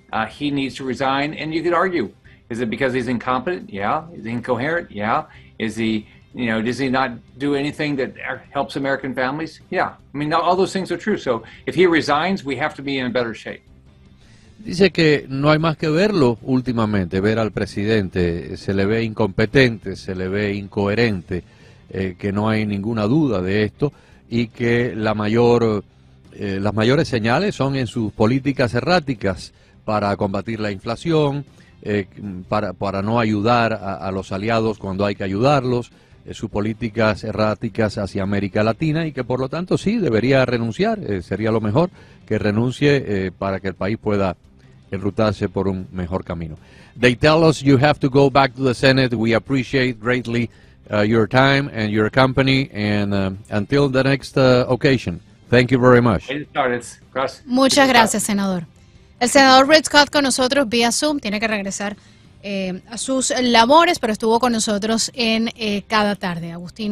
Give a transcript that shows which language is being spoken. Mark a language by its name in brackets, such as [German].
[English] He needs to resign. And you could argue, is it because he's incompetent? Yeah. Is he incoherent? Yeah. Does he not do anything that helps American families? Yeah. I mean, all those things are true. So if he resigns, we have to be in better shape. [Spanish] Dice que no hay más que verlo últimamente, ver al presidente, se le ve incompetente, se le ve incoherente, que no hay ninguna duda de esto, y que las mayores señales son en sus políticas erráticas para combatir la inflación, para no ayudar a los aliados cuando hay que ayudarlos, sus políticas erráticas hacia América Latina y que por lo tanto sí debería renunciar, sería lo mejor que renuncie para que el país pueda enrutarse por un mejor camino. [English] They tell us you have to go back to the Senate. We appreciate greatly your time and your company, and until the next occasion, thank you very much. [Spanish] Muchas gracias, senador. El senador Red Scott con nosotros vía Zoom, tiene que regresar a sus labores, pero estuvo con nosotros en cada tarde. Agustín.